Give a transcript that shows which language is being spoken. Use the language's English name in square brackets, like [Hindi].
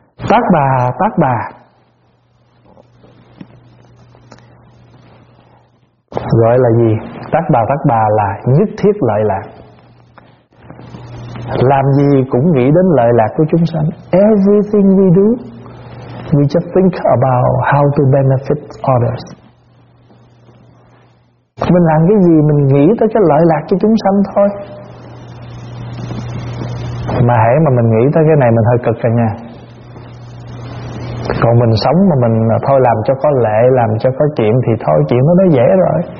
[Vietnamese] Tát Bà, Tát Bà, gọi là gì? Tát Bà, Tát Bà là nhất thiết lợi lạc. Làm gì cũng nghĩ đến lợi lạc của chúng sanh. [English] Everything we do, we just think about how to benefit others. [Vietnamese] Mình làm cái gì mình nghĩ tới cái lợi lạc cho chúng sanh thôi. Mà hãy mà mình nghĩ tới cái này mình hơi cực rồi nha. Còn mình sống mà mình thôi làm cho có lệ, làm cho có chuyện thì thôi, chuyện nó dễ rồi.